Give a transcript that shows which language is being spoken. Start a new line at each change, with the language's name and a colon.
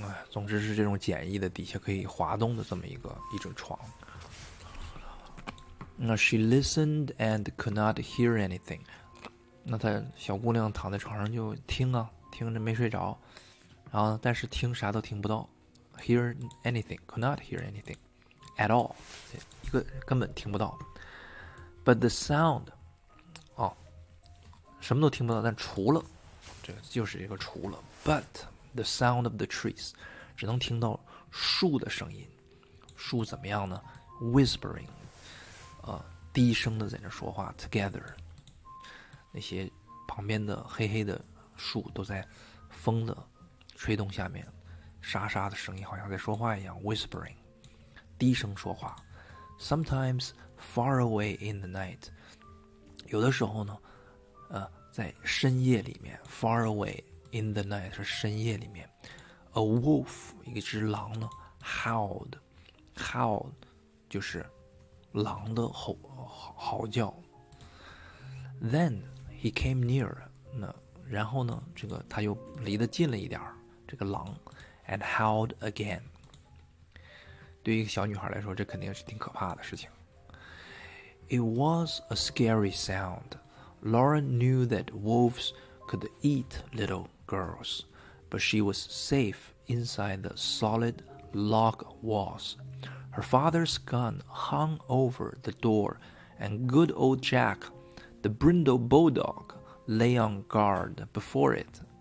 Chinese: 总之是这种简易的底下可以滑动的这么一种床。
English: Now she listened and could not hear anything.
Chinese: 那她小姑娘躺在床上就听啊，听着没睡着，然后但是听啥都听不到
English: ，hear anything, could not hear anything, at all,
Chinese: 一个根本听不到。
English: But the sound,
Chinese: 哦，什么都听不到，但除了，这就是一个除了。
English: But the sound of the trees,
Chinese: 只能听到树的声音，树怎么样呢
English: ？Whispering.
Chinese: 低声的在那说话 together 那些旁边的黑黑的树都在风的吹动下面沙沙的声音好像在说话一样 whispering 低声说话
English: sometimes far away in the night
Chinese: 有的时候呢在深夜里面
English: far away in the night
Chinese: 是深夜里面 a wolf 一只狼呢 howled 就是狼的嚎叫
English: Then he came near
Chinese: 然后呢这个他又离得近了一点这个狼
English: And howled again
Chinese: 对于一个小女孩来说这肯定是挺可怕的事情
English: It was a scary sound Laura knew that wolves could eat little girls But she was safe inside the solid log wallsHer father's gun hung over the door, and good old Jack, the brindle bulldog, lay on guard before it.